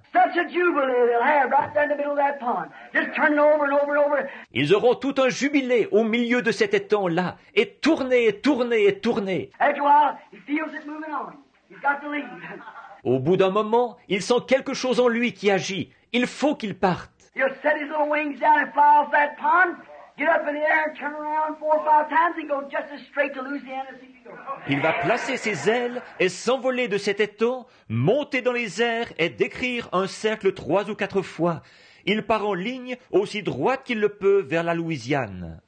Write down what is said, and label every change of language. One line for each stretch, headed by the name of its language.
English: Such a jubilee they'll have right down the middle of that pond, just turning over and over and over.
French: Ils auront tout un jubilé au milieu de cet étang là, et tourner et tourner et tourner.
English: After a while, he feels it moving on. He's got to leave.
French: Au bout d'un moment, il sent quelque chose en lui qui agit. Il faut qu'il parte.
English: He'll set his little wings down and fly off that pond. Get up in the air, turn around four or five times, and go just as straight to Louisiana as he can go.
French: Il va placer ses ailes et s'envoler de cet étang, monter dans les airs et décrire un cercle trois ou quatre fois. Il part en ligne aussi droite qu'il le peut vers la Louisiane.